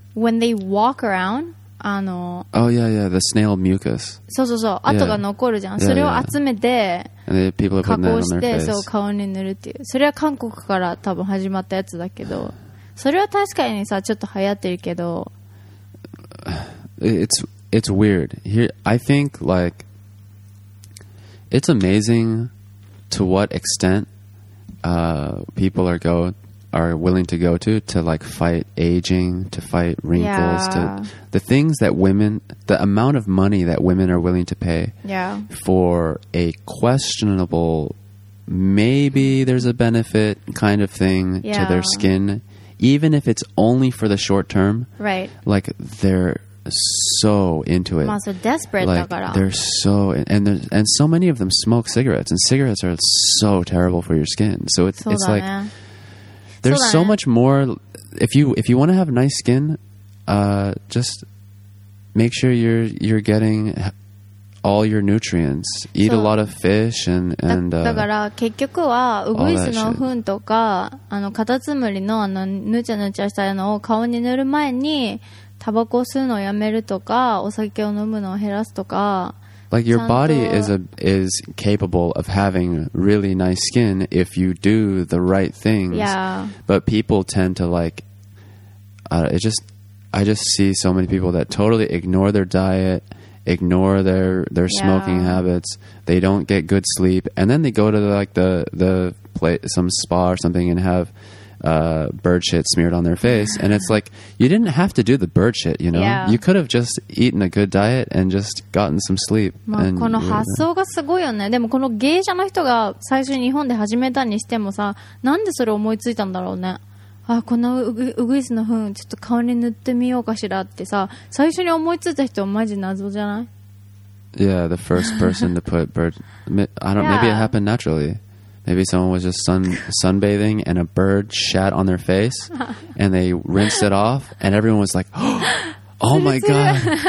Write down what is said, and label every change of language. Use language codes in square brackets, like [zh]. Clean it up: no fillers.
[en] When they walk around, あの、 oh, yeah, yeah, the snail mucus. [ja] そうそうそう、yeah. 跡が残るじゃん。それを集めて、 [en] yeah. [ja] 加工して、そう、顔に塗るっていう。それは韓国から多分始まったやつだけど、それは確かにさ、ちょっと流行ってるけど。 [en] It's weird. Here, I think, like, it's amazing to what extent people are willing to go to like fight aging, to fight wrinkles, yeah. to the things that women, the amount of money that women are willing to pay yeah. for a questionable, maybe there's a benefit kind of thing yeah. to their skin, even if it's only for the short term. Right. Like they're so into it. So desperate. Like, they're so, and so many of them smoke cigarettes, and cigarettes are so terrible for your skin. So it's like, there's so much more. If you want to have nice skin, just make sure you're getting all your nutrients. Eat a lot of fish and [ja] だから結局はウグイスの糞とかあのカタツムリのあのぬちゃぬちゃしたのを顔に塗る前にタバコ吸うのをやめるとかお酒を飲むのを減らすとか。 [en] Like your body is capable of having really nice skin if you do the right things. Yeah. But people tend to like, I just see so many people that totally ignore their diet, ignore their yeah. smoking habits. They don't get good sleep, and then they go to like the place, some spa or something, and have bird shit smeared on their face. And it's like, you didn't have to do the bird shit, you know? Yeah. You could have just eaten a good diet and just gotten some sleep. [ja] この発想がすごいよね。でもこの芸者の人が最初に日本で始めたにしてもさ、なんでそれ思いついたんだろうね。あ、このウグイスの糞ちょっと顔に塗ってみようかしらってさ、最初に思いついた人はマジ謎じゃない？ [en] Yeah, the first person to put bird... maybe it happened naturally. Maybe someone was just sunbathing and a bird shat on their face and they rinsed it off and everyone was like, oh my god.